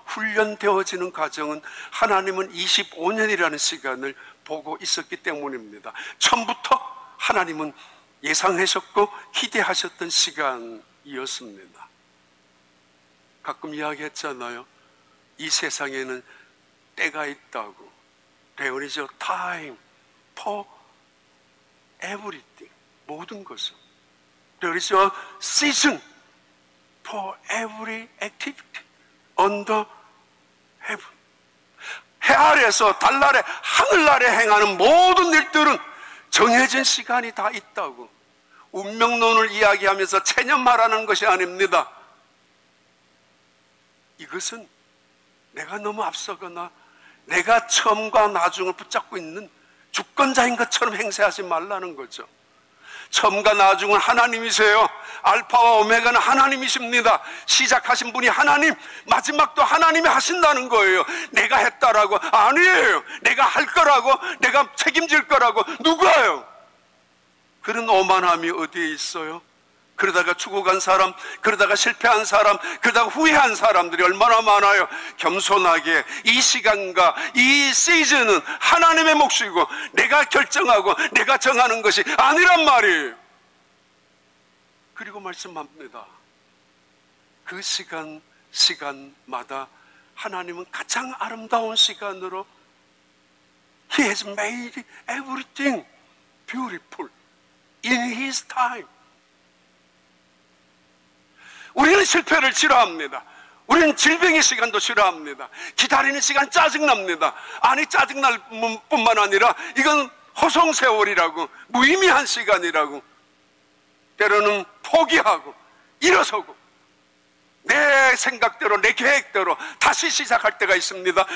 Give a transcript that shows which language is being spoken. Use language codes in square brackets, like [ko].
[ko] 훈련되어지는 과정은 하나님은 25년이라는 시간을 보고 있었기 때문입니다. 처음부터 하나님은 예상하셨고 기대하셨던 시간이었습니다. 가끔 이야기했잖아요. 이 세상에는 때가 있다고. [en] There is a time for everything. [ko] 모든 것을. [en] There is a season for every activity under heaven. [ko] 해 아래에서 달 아래 하늘 아래 행하는 모든 일들은 정해진 시간이 다 있다고. 운명론을 이야기하면서 체념 말하는 것이 아닙니다. 이것은 내가 너무 앞서거나 내가 처음과 나중을 붙잡고 있는 주권자인 것처럼 행세하지 말라는 거죠. 처음과 나중은 하나님이세요. 알파와 오메가는 하나님이십니다. 시작하신 분이 하나님, 마지막도 하나님이 하신다는 거예요. 내가 했다라고? 아니에요. 내가 할 거라고? 내가 책임질 거라고? 누가요? 그런 오만함이 어디에 있어요? 그러다가 죽어간 사람, 그러다가 실패한 사람, 그러다가 후회한 사람들이 얼마나 많아요. 겸손하게 이 시간과 이 시즌은 하나님의 몫이고 내가 결정하고 내가 정하는 것이 아니란 말이에요. 그리고 말씀합니다. 그 시간, 시간마다 하나님은 가장 아름다운 시간으로 [en] He has made everything beautiful in His time. [ko] 우리는 실패를 싫어합니다. 우리는 질병의 시간도 싫어합니다. 기다리는 시간 짜증납니다. 아니 짜증날 뿐만 아니라 이건 허송 세월이라고 무의미한 시간이라고 때로는 포기하고 일어서고 내 생각대로 내 계획대로 다시 시작할 때가 있습니다.